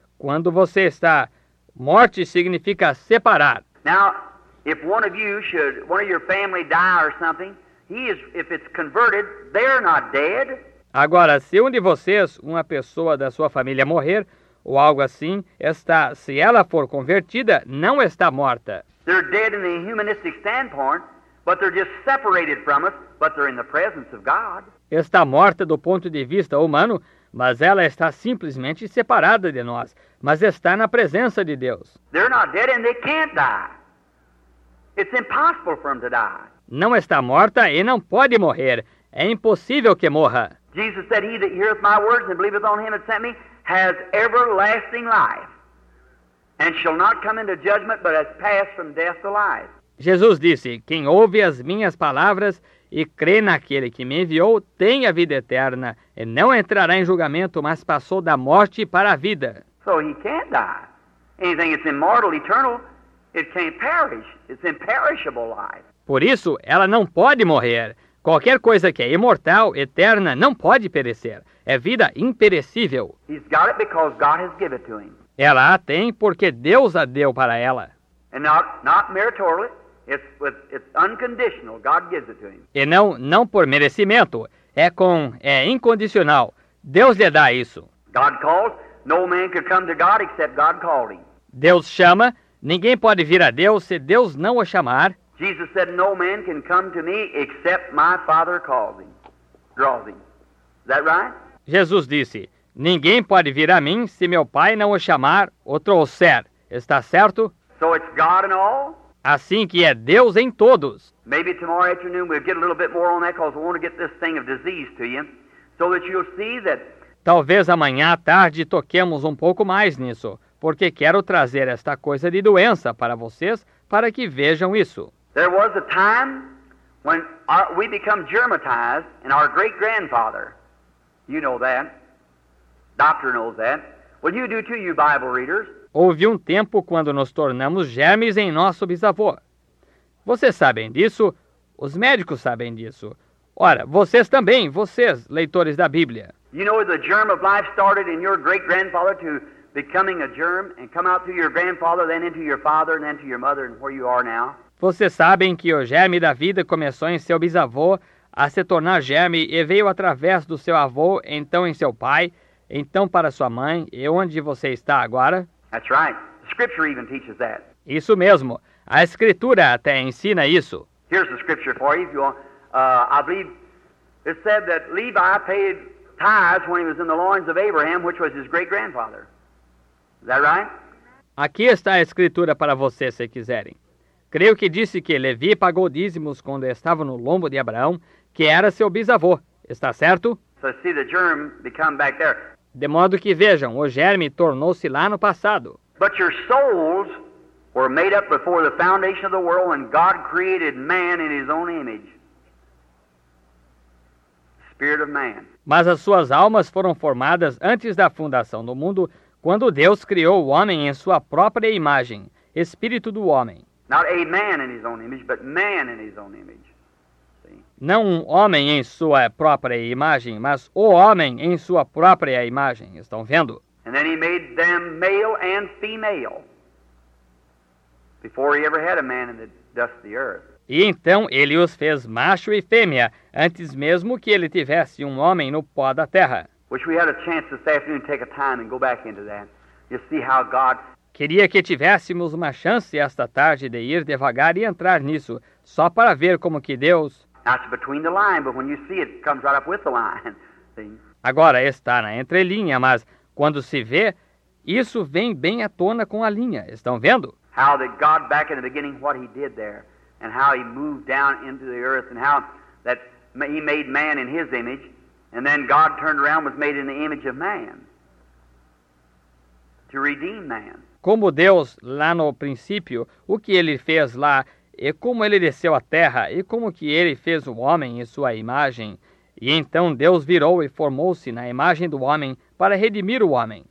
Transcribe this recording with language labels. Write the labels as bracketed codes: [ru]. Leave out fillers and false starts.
[pt] Quando você está, morte significa separar. [en] Now, if one of you should, one of your family die or something, he is, if it's converted, they're not dead. [pt] Agora, se um de vocês, uma pessoa da sua família morrer, ou algo assim, está, se ela for convertida, não está morta. [en] They're dead in the humanistic standpoint, but they're just separated from us, but they're in the presence of God. [pt] Está morta do ponto de vista humano, mas ela está simplesmente separada de nós, mas está na presença de Deus. [en] They're not dead and they can't die. It's impossible for them to die. [pt] Não está morta e não pode morrer. É impossível que morra. [en] Jesus said, he that heareth my words and believeth on him that sent me has everlasting life and shall not come into judgment but has passed from death to life. [pt] Jesus disse, quem ouve as minhas palavras e crê naquele que me enviou tem a vida eterna e não entrará em julgamento, mas passou da morte para a vida. [en] So he can't die. Anything that's immortal, eternal, it can't perish. It's imperishable life. [pt] Por isso, ela não pode morrer. Qualquer coisa que é imortal, eterna, não pode perecer. É vida imperecível. [en] He's got it because God has given it to him. [pt] Ela a tem porque Deus a deu para ela. [en] And not meritorily, it's unconditional. God gives it to him. [pt] E não por merecimento, é incondicional. Deus lhe dá isso. [en] God calls. No man could come to God except God called him. [pt] Deus chama. Ninguém pode vir a Deus se Deus não o chamar. [en] Jesus said, no man can come to me except my Father calls him, draws him. Is that right? [pt] Jesus disse, ninguém pode vir a mim se meu Pai não o chamar ou trouxer. Está certo? [en] So it's God in all? [pt] Assim que é Deus em todos. [en] Maybe tomorrow afternoon we'll get a little bit more on that because we want to get this thing of disease to you. So that you'll see that... [pt] Talvez amanhã à tarde toquemos um pouco mais nisso, porque quero trazer esta coisa de doença para vocês, para que vejam isso. [en] There was a time when we become germatized and our great grandfather, you know that, doctor knows that. Well, you do too, you Bible readers. [pt] Houve um tempo quando nos tornamos germes em nosso bisavô. Vocês sabem disso? Os médicos sabem disso. Ora, vocês também, vocês, leitores da Bíblia. [en] You know the germ of life started in your great grandfather to becoming a germ and come out through your grandfather, then into your father, and then to your mother, and where you are now. [pt] Vocês sabem que o germe da vida começou em seu bisavô a se tornar germe e veio através do seu avô, então em seu pai, então para sua mãe, e onde você está agora? [en] That's right. The scripture even teaches that. [pt] Isso mesmo. A escritura até ensina isso. [en] Here's the scripture for you, if you want. I believe it said that Levi paid tithes when he was in the loins of Abraham, which was his great grandfather. Is that right? [pt] Aqui está a escritura para vocês, se quiserem. Creio que disse que Levi pagou dízimos quando estava no lombo de Abraão, que era seu bisavô. Está certo? [en] So see the germ become back there. [pt] De modo que vejam, o germe tornou-se lá no passado. [en] But your souls were made up before the foundation of the world when God created man in his own image. Spirit of man. [pt] Mas as suas almas foram formadas antes da fundação do mundo, quando Deus criou o homem em sua própria imagem, espírito do homem. [en] Not a man in his own image, but man in his own image. [pt] Não um homem em sua própria imagem, mas o homem em sua própria imagem. Estão vendo? [en] And then he made them male and female before he ever had a man in the dust of the earth. [pt] E então ele os fez macho e fêmea, antes mesmo que ele tivesse um homem no pó da terra. [en] Wish we had a chance this afternoon to take a time and go back into that. You see how God... [pt] Queria que tivéssemos uma chance esta tarde de ir devagar e entrar nisso, só para ver como que Deus... [en] That's between the line, but when you see it, it comes right up with the line. See? [pt] Agora está na entrelinha, mas quando se vê, isso vem bem à tona com a linha. Estão vendo? [en] How did God back in the beginning what he did there, and how he moved down into the earth, and how that he made man in his image, and then God turned around and was made in the image of man to redeem man. [pt] Como Deus, lá no princípio, o que ele fez lá, e como ele desceu à terra, e como que ele fez o homem em sua imagem. E então Deus virou e formou-se na imagem do homem para redimir o homem.